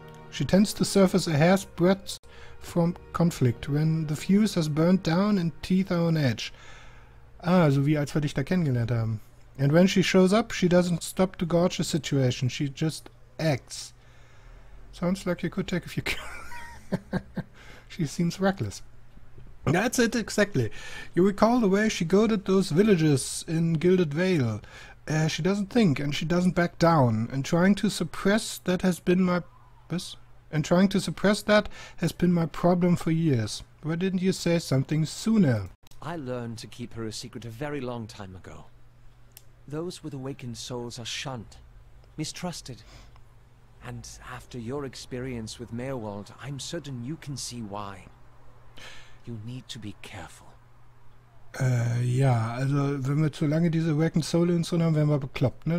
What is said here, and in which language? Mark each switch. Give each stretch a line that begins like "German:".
English: She tends to surface a hair's breadth from conflict when the fuse has burnt down and teeth are on edge.
German: Ah, so wie als wir dich da kennengelernt haben.
English: And when she shows up, she doesn't stop to gorge the situation. She just acts. Sounds like you could take a few She seems reckless. That's it, exactly. You recall the way she goaded those villagers in Gilded Vale. She doesn't think, and she doesn't back down. And trying to suppress that has been my... What? And trying to suppress that has been my problem for years. Why didn't you say something sooner? I learned to keep her a secret a very long time ago. Those with awakened souls are shunned, mistrusted. And after your experience with Meowald, I'm certain you can see why. You need to be careful.
German: Ja, also wenn wir zu lange diese Awakened Soul in uns drin haben, werden wir bekloppt, ne?